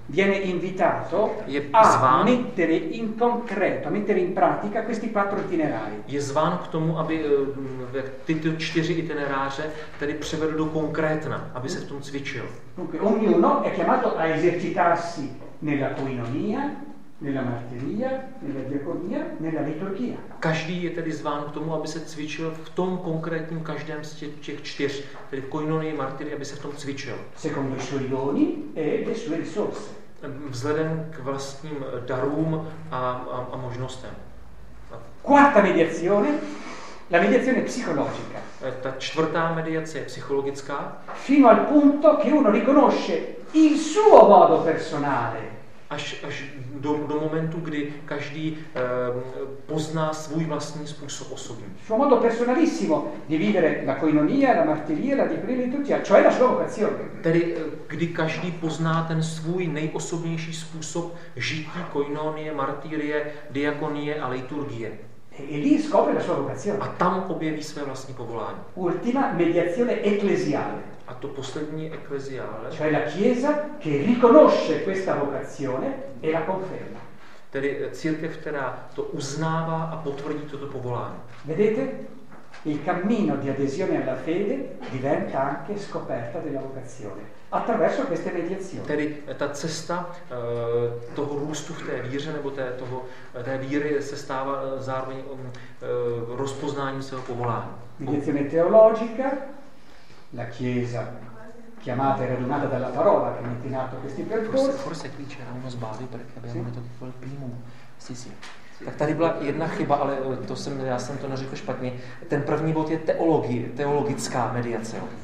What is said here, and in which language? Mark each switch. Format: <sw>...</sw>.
<it>viene invitato a mettere in concreto, a mettere in pratica questi quattro itinerari.</it> <cs>Je zván k tomu, aby tyto čtyři itineráře tedy převedl do konkrétna, aby se v tom cvičil.</cs> <it>Dunque, ognuno è chiamato a esercitarsi nella coinonia, nella martiria, nella diaconia, nella liturgia.</it> <cs>Každý je tedy zván k tomu, aby se cvičil v tom konkrétním každém z těch čtyř, tedy v koinonii, martiri, aby se v tom cvičil.</cs> <it>Secondo i suoi doni e le sue risorse.</it> <cs>Vzhledem k vlastním darům a možnostem.</cs> <it>Quarta mediazione, la mediazione psicologica.</it> <cs>Ta čtvrtá mediace je psychologická.</cs> <it>Fino al punto che uno riconosce il suo modo personale.</it> <cs>Až do momentu, kdy každý pozná svůj vlastní způsob osobní.</cs> <it>Suo modo personalissimo di vivere la coinonia, la martiria, la diaconia, liturgia, cioè la sua vocazione.</it> <cs>Tedy kdy každý pozná ten svůj nejosobnější způsob žití, koinonie, martirie, diakonie a liturgie.</cs> <it>E lì scopre la sua vocazione.</it> <cs>A tam objeví své vlastní povolání.</cs> <it>Ultima mediazione ecclesiale.</it> <cs>A to poslední ekleziále.</cs> <it>Cioè la chiesa che riconosce questa vocazione e la conferma.</it> <cs>Tedy církev, která to uznává a potvrdí toto povolání.</cs> <it>Vedete? Il cammino di adesione alla fede diventa anche scoperta della vocazione attraverso queste mediazioni.</it> <cs>Tedy ta cesta toho růstu v té víře nebo té víry se stává zároveň rozpoznáním svého povolání.</cs> <it>Mediazione teologica. La chiesa chiamata e radunata dalla parola che mette in atto questi percorsi. Forse qui c'era uno sbaglio perché abbiamo detto tutto il primo. Sì, sì.</it> <cs>Tak tady byla jedna chyba, ale to jsem, já jsem to neřekl špatně. Ten první bod je teologická mediace.</cs>